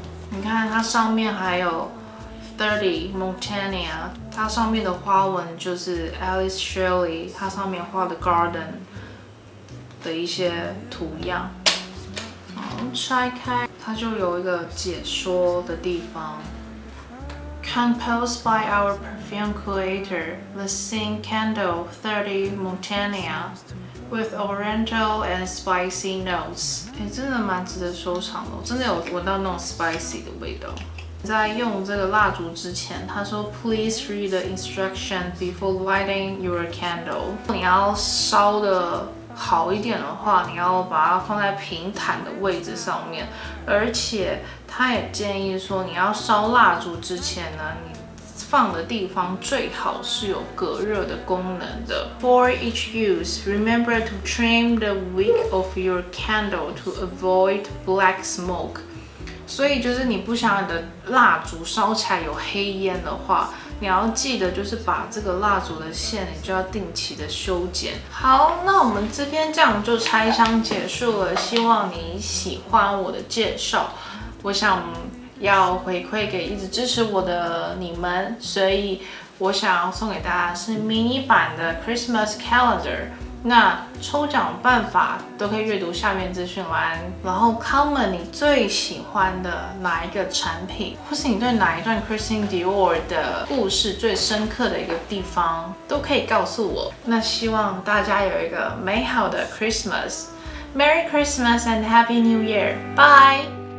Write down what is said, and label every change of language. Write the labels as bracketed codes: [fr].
[zh] 你看它上面还有 30 Montana， 它上面的花纹就是 Alice Shirley， 它上面画的 Garden 的一些图样。拆开它就有一个解说的地方。 [en] Composed by our perfume creator, the scent candle 30 Montana with oriental and spicy notes. [zh] 欸，真的蛮值得收藏的，真的有闻到那种 spicy 的味道。在用这个蜡烛之前，他说 [en] Please read the instruction before lighting your candle. [zh] 你要烧的好一点的话，你要把它放在平坦的位置上面，而且他也建议说，你要烧蜡烛之前呢，你放的地方最好是有隔热的功能的。 [en] For each use, remember to trim the wick of your candle to avoid black smoke. [zh] 所以就是你不想你的蜡烛烧起来有黑烟的话，你要记得就是把这个蜡烛的线你就要定期的修剪。好，那我们这边这样就拆箱结束了，希望你喜欢我的介绍。我想要回馈给一直支持我的你们，所以我想要送给大家是 mini 版的 Christmas Calendar。那抽奖办法都可以阅读下面资讯栏，然后 comment 你最喜欢的哪一个产品，或是你对哪一段 Christian Dior 的故事最深刻的一个地方都可以告诉我。那希望大家有一个美好的 [en] Christmas， Merry Christmas and Happy New Year， Bye。